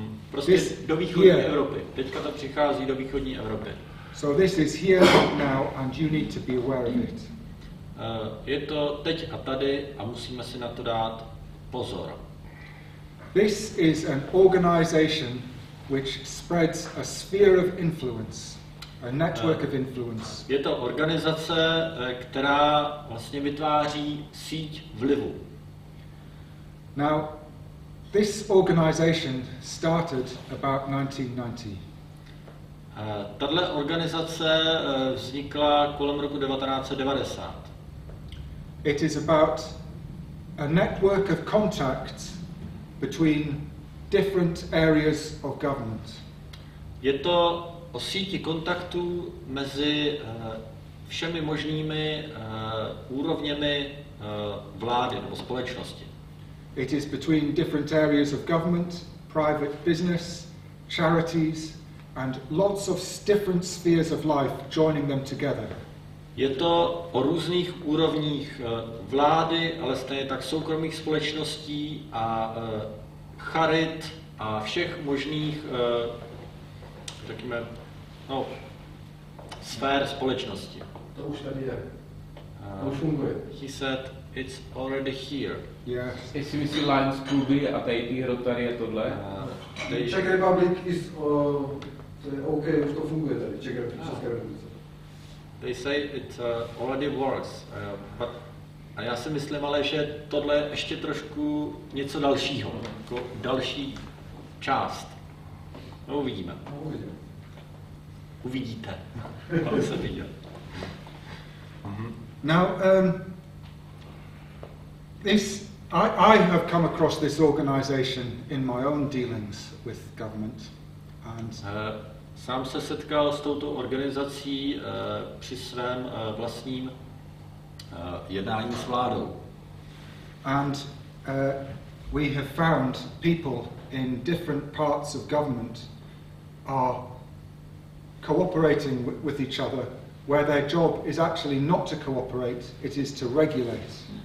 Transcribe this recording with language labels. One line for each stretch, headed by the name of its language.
Czech: Prostě do východní here. Evropy. Teďka to přichází do východní Evropy.
English: So this is here now and you need to be aware of it.
Czech: Je to teď a tady a musíme si na to dát pozor.
English: This is an organization which spreads a sphere of influence, a network of influence.
Czech: Je to organizace, která vlastně vytváří síť vlivu.
English: Now this organization started about 1990.
Czech: Tato organizace vznikla kolem roku 1990.
English: It is about a network of contacts between different areas of government.
Czech: Je to o síti kontaktů mezi všemi možnými úrovněmi vlády nebo společnosti.
English: It is between different areas of government, private business, charities, and lots of different spheres of life joining them together.
Czech: Je to o různých úrovních vlády, ale stejně tak soukromých společností a charit a všech možných řekněme, no, sfér společnosti. To už tady je. To už funguje.
English: He said, it's already here. Yes.
Czech: Jestli myslí Lions Kluby a tady hrot tady je tohle.
English: Czech Republic is...
Czech: To je OK, už to funguje tady, Česká republice.
English: They say it already works, but
Czech: a já si myslím ale, že tohle je ještě trošku něco dalšího, jako další část. No uvidíme. Uvidíte, ale se viděl.
English: Now, this, I have come across this organization in my own dealings with government, and...
Czech: Sám se setkal s touto organizací při svém vlastním jednání s vládou.
English: And we have found people in different parts of government are cooperating with each other where their job is actually not to cooperate, it is to regulate.